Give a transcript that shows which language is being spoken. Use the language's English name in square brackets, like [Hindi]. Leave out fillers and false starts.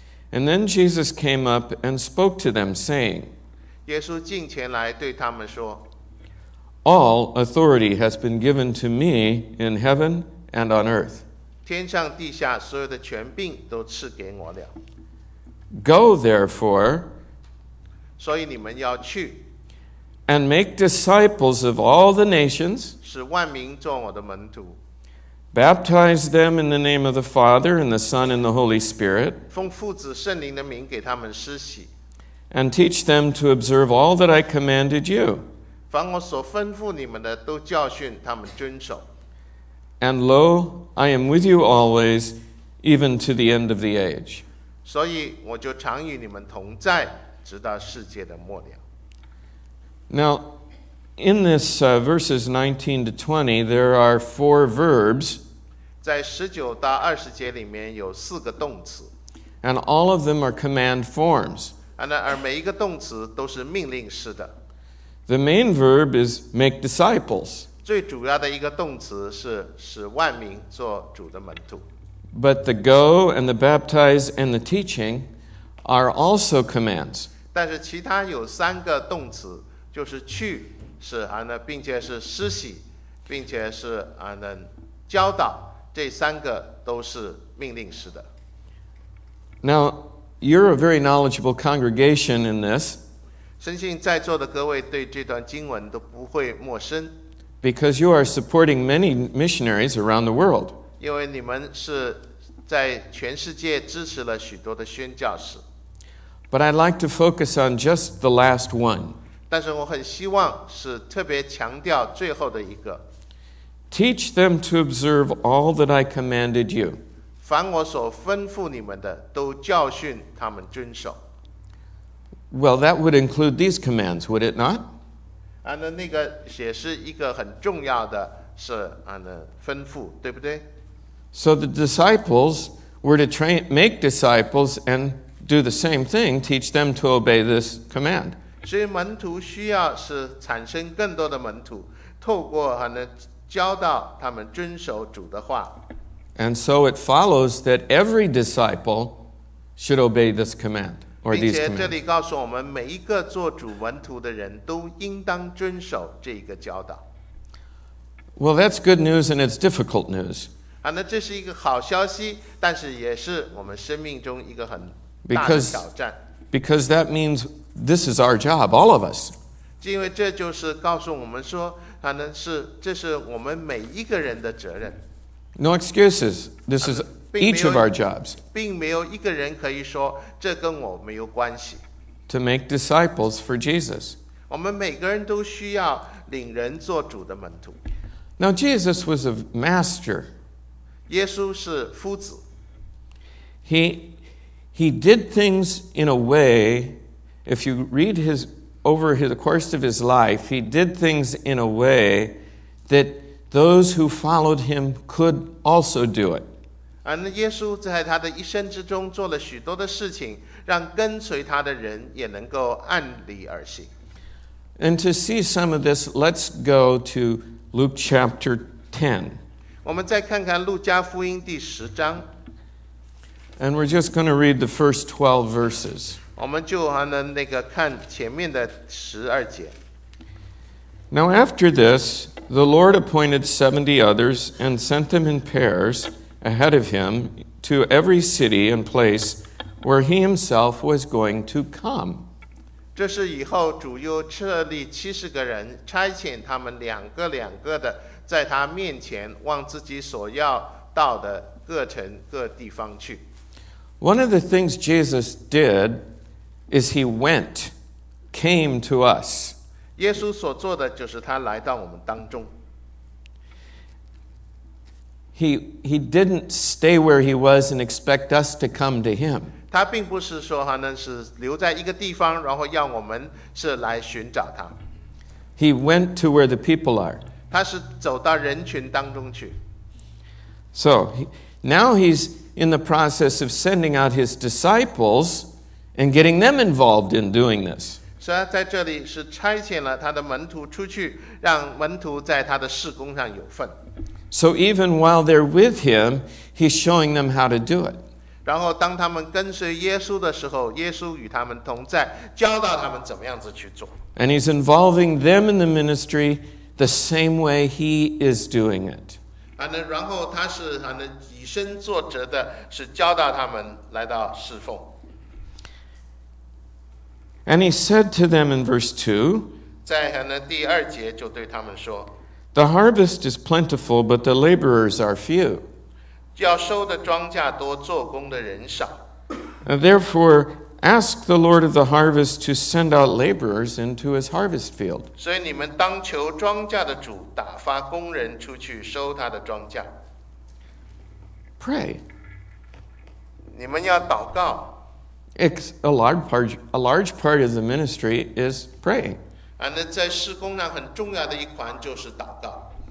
[English] And then Jesus came up and spoke to them, saying, [Chinese] 耶稣近前来对他们说, [English] All authority has been given to me in heaven and on earth. [Chinese] 天上地下所有的权柄都赐给我了。 [English] Go, therefore, [Chinese] 所以你们要去, [English] and make disciples of all the nations, [Chinese] 使万民做我的门徒, [English] baptize them in the name of the Father and the Son and the Holy Spirit, [Chinese] 奉父子圣灵的名给他们施洗, [English] and teach them to observe all that I commanded you, [Chinese] 凡我所吩咐你们的都教训他们遵守, [English] and lo, I am with you always, even to the end of the age. [Chinese] 所以我就常与你们同在，直到世界的末了。 [English] Now, in this verses 19 to 20, there are four verbs. [Chinese] 在十九到二十节里面有四个动词。 [English] And all of them are command forms. [Chinese] 而每一个动词都是命令式的。 [English] The main verb is make disciples. [Chinese] 最主要的一个动词是使万民做主的门徒。 [English] But the go and the baptize and the teaching are also commands. [Chinese] 但是其他有三个动词，就是去，是并且是施洗，并且是教导，这三个都是命令式的。 [English] Now, you're a very knowledgeable congregation in this. [Chinese] 深信在座的各位对这段经文都不会陌生。 [English] Because you are supporting many missionaries around the world. [Chinese] 因为你们是在全世界支持了许多的宣教士。 [English] But I'd like to focus on just the last one. [Chinese] 但是我很希望是特别强调最后的一个。 [English] Teach them to observe all that I commanded you. [Chinese] 凡我所吩咐你们的都教训他们遵守。 [English] Well, that would include these commands, would it not? [Chinese] 那个也是一个很重要的是吩咐，对不对？ [English] So the disciples were to train, make disciples and do the same thing, teach them to obey this command. [Chinese] 所以门徒需要是产生更多的门徒，透过教导他们遵守主的话。 [English] And so it follows that every disciple should obey this command. Or these commands. [Chinese] 这里告诉我们每一个做主门徒的人都应当遵守这个教导。 [English] Well, that's good news and it's difficult news. [Chinese] 那这是一个好消息，但是也是我们生命中一个很大的挑战。 [English] Because that means this is our job, all of us. [Chinese] 因为这就是告诉我们说，这是我们每一个人的责任。 [English] No excuses. This is each of our jobs. [Chinese] 并没有一个人可以说这跟我没有关系。 [English] To make disciples for Jesus. [Chinese] 我们每个人都需要领人做主的门徒。 [English] Now Jesus was a master. [Chinese] 耶稣是夫子。 [English] He did things in a way, if you read his, over the course of his life, he did things in a way that those who followed him could also do it. [Chinese] 耶稣在他的一生之中做了许多的事情，让跟随他的人也能够按理而行。 [English] And to see some of this, let's go to Luke chapter 10. [Chinese] 我们再看看路加福音第十章。 [English] And we're just going to read the first 12 verses. [Chinese] 我们就看前面的十二节。 [English] Now after this, the Lord appointed 70 others and sent them in pairs ahead of him to every city and place where he himself was going to come. [Chinese] 这是以后主又设立70个人，差遣他们两个两个的在他面前往自己所要到的各城各地方去。 [English] One of the things Jesus did is he went, came to us. [Chinese] 耶稣所做的就是他来到我们当中。 [English] He didn't stay where he was and expect us to come to him. [Chinese] 他并不是说他是留在一个地方，然后要我们是来寻找他。 [English] He went to where the people are. [Chinese] 他是走到人群当中去。 [English] So, now he's in the process of sending out his disciples and getting them involved in doing this. [Chinese] 所以在这里是差遣了他的门徒出去，让门徒在他的事工上有份。 [English] So even while they're with him, he's showing them how to do it. [Chinese] 然后当他们跟随耶稣的时候，耶稣与他们同在，教导他们怎么样子去做。 [English] And he's involving them in the ministry the same way he is doing it. [Chinese] 然后他是以身作则的，是教导他们来到侍奉。 [English] And he said to them in verse 2, [Chinese] 在第二节就对他们说, [English] The harvest is plentiful, but the laborers are few. [Chinese] 要收的庄稼多, 做工的人少。 [English] Therefore, ask the Lord of the harvest to send out laborers into his harvest field. [Chinese] 所以你们当求庄稼的主打发工人出去收他的庄稼。 [English] Pray. [Chinese] 你们要祷告。 [English] It's a large part of the ministry is praying. [Chinese] 在事工上很重要的一环就是祷告。